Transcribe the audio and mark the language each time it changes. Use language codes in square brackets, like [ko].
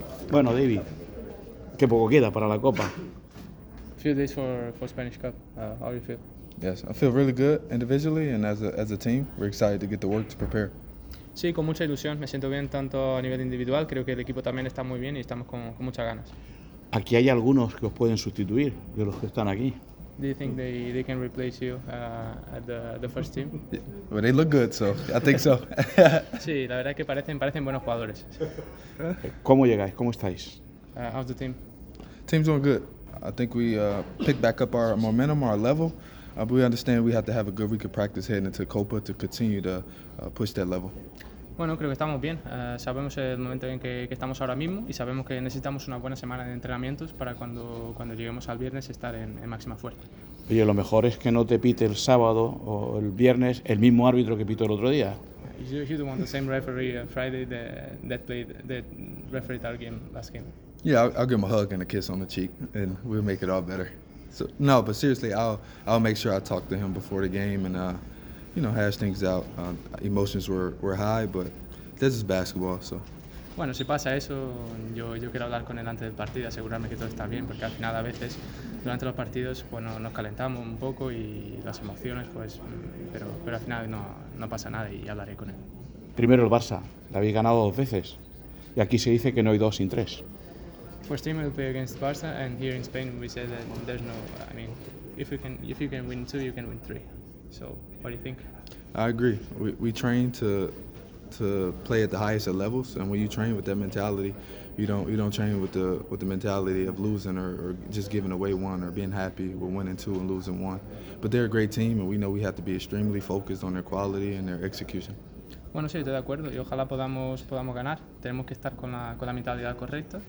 [es] Bueno, David, qué poco queda para la Copa. [en] Few days for Spanish Cup. How do you feel? Yes, I feel really good individually and as a team. We're excited to get the work to prepare. [es] Sí, con mucha ilusión. Me siento bien tanto a nivel individual. Creo que el equipo también está muy bien y estamos con muchas ganas. Aquí hay algunos que os pueden sustituir de los que están aquí. [en] Do you think they can replace you at the first team? Yeah, but they look good, so I think so. [es] Sí, la verdad es que parecen buenos jugadores. ¿Cómo llegáis? ¿Cómo estáis? [en] How's the team? Team's doing good. I think we picked back up our momentum, our level. But we understand we have to have a good week of practice heading into Copa to continue to push that level. [es] Bueno, creo que estamos bien. Sabemos el momento en que estamos ahora mismo y sabemos que necesitamos una buena semana de entrenamientos para cuando lleguemos al viernes estar en máxima fuerza. Oye, lo mejor es que no te pite el sábado o el viernes el mismo árbitro que pitó el otro día. [en] You don't want the same referee Friday that played the referee our game last game. Yeah, I'll give him a hug and a kiss on the cheek, and we'll make it all better. So no, but seriously, I'll make sure I talk to him before the game and hash things out. Emotions were high, but this is basketball, so. [es] Bueno, si pasa eso, yo quiero hablar con él antes del partido, asegurarme que todo está bien, porque al final a veces durante los partidos, bueno, nos calentamos un poco y las emociones, pues, pero al final no pasa nada y hablaré con él. Primero el Barça, le habéis ganado dos veces y aquí se dice que no hay dos sin tres. [en] First team will play against Barça, and here in Spain we say that there's no. I mean, if you can win two, you can win three. So, what do you think? I agree. We train to play at the highest of levels, and when you train with that mentality, you don't train with the mentality of losing or just giving away one or being happy with winning two and losing one. But they're a great team, and we know we have to be extremely focused on their quality and their execution. [es] Bueno, sí, estoy de acuerdo y ojalá podamos ganar. Tenemos que estar con la mentalidad correcta.